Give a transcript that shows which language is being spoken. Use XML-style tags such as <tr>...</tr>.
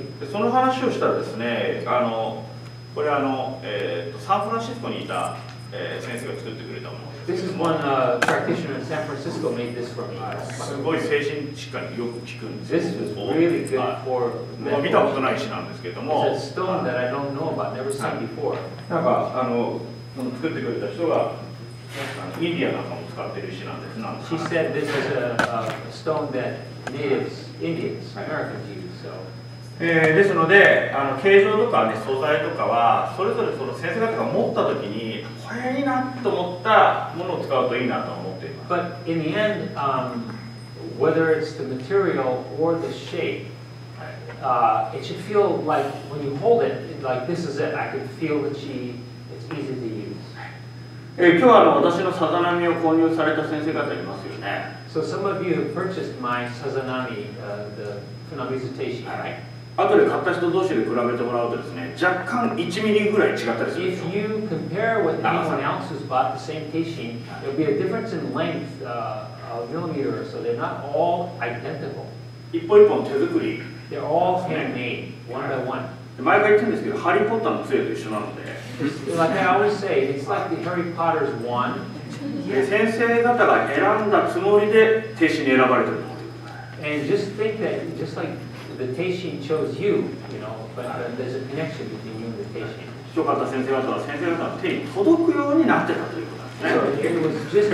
<ja>その話をしたらですね、あのこれあの、サンフランシスコにいた、先生が作ってくれたものです。</ja> <en>This is one practitioner in San Francisco made this for me.</en> <ja>すごい精神疾患によく効くんですよ。</ja> <en>This is really good for mental health.</en> <ja>見たことないしなんですけども、</ja> <en>It's a stone that I don't know about, never seen before.</en> <ja>なんかあの作ってくれた人がインディアなんかも使ってる石なんです。</ja> <en>She said this is a stone that natives, Indians, Americans use. So.</en> <ja>ですので、あの形状とか、ね、素材とかはそれぞれその先生方が持った時にこれいいなと思ったものを使うといいなと思っています。</ja> <en>But in the end, whether it's the material or the shape, it should feel like when you hold it, like this is it. I can feel the chi. It's easy to use.</en> <ja>今日はあの私のさざ波を購入された先生方いますよね。</ja> <en>So some of you have purchased my sazanami, the funeral visitation.</en> <ja>はい。後で買った人同士で比べてもらうとですね、若干1ミリぐらい違ったりするんですよ。</ja> <en>If you compare with anyone else's bought the same teishin, there'll be a difference in length, a millimeter or so. They're not all identical.</en> <ja>一本一本手作り。</ja> <en>They're all handmade, one by one.</en> <ja>毎回言ってるんですけど、ハリーポッターの杖と一緒なので。</ja> <en>Like I always say, it's like the Harry Potter's wand.</en> <ja>先生方が選んだつもりで、テイシンに選ばれてるの。</ja> <en>And just think that, just like the Teishin chose you, you know, but there's a connection between you and the Teishin.</en> <ja>人かった先生方は先生方の手に届くようになってたということですね。</ja>